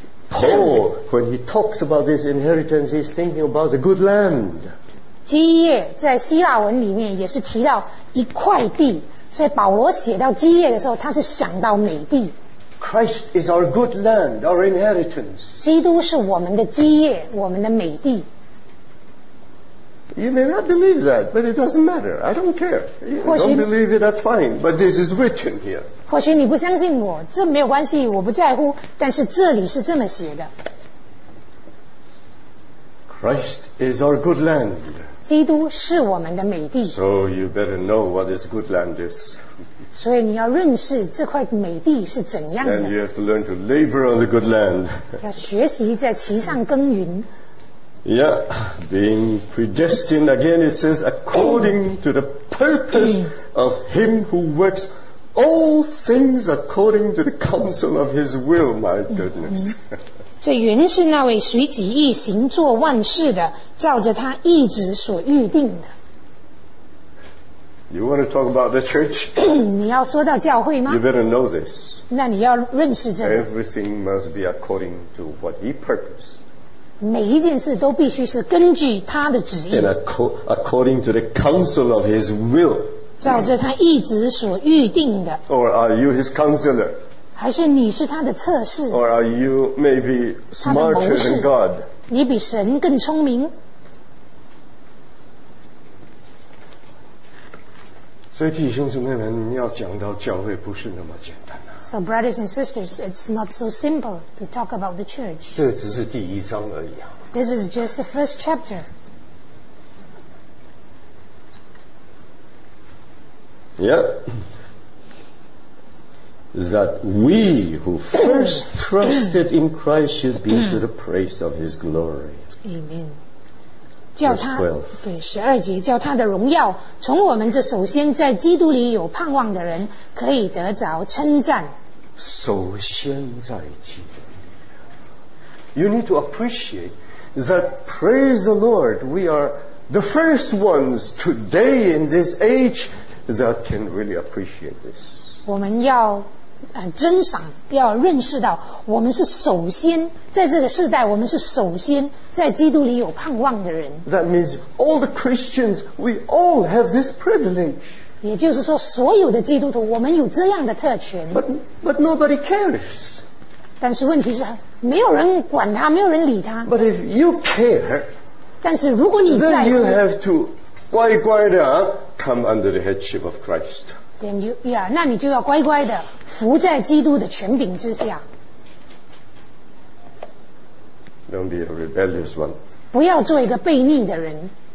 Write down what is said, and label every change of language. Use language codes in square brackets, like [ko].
[en] Paul, when he talks about this inheritance, he's thinking about the good land. [zh] 基业在希腊文里面也是提到一块地。所以保罗写到基业的时候，他是想到美地。 [en] Christ is our good land, our inheritance. [zh] 基督是我们的基业，我们的美地。 [en] You may not believe that, but it doesn't matter. I don't care. You don't believe it, that's fine. But this is written here. [zh] 或许你不相信我，这没有关系，我不在乎。但是这里是这么写的。 [en] Christ is our good land. [zh] 基督是我们的美地。 [en] So you better know what this good land is. [zh] 所以你要认识这块美地是怎样的。 [en] And you have to learn to labor on the good land. [zh] 要学习在其上耕耘。 [en] Yeah, being predestined again, it says according to the purpose of him who works all things according to the counsel of his will. My goodness. [zh] 这原是那位随己意行做万事的，照着他意旨所预定的。 [en] You want to talk about the church? [zh] 你要说到教会吗？ [en] You better know this. [zh] 那你要认识这个。 [en] Everything must be according to what he purposed. [zh] 每一件事都必须是根据他的旨意。 [en] And according to the counsel of his will. [zh] 照着他意旨所预定的。 [en] Or are you his counselor? [zh] 还是你是他的测试 [en] Or are you maybe smarter than God? [zh] 你比神更聪明所以弟兄姊妹们要讲到教会不是那么简单、啊、 [en] So brothers and sisters, it's not so simple to talk about the church. [zh] 这只是第一章而已、啊、 [en] This is just the first chapter. Yep. That we who first trusted in Christ should be to the praise of His glory. Amen. [zh] 叫他对十二节叫他的荣耀从我们这首先在基督里有盼望的人可以得着称赞。首先在基督里。 [en] You need to appreciate that praise the Lord. We are the first ones today in this age that can really appreciate this. [zh] 我们要珍赏要认识到我们是首先在这个世代我们是首先在基督里有盼望的人 [en] That means all the Christians we all have this privilege [zh] 也就是说所有的基督徒我们有这样的特权 [en] But nobody cares [zh] 但是问题是没有人管他没有人理他 [en] But if you care [zh] 但是如果你在乎 [en] Then you have to [zh] 乖乖的 [en] come under the headship of Christ Then you, yeah, [zh] 那你就要乖乖的服在基督的权柄之下 [en] Don't be a rebellious one [zh] 不要做一个悖逆的人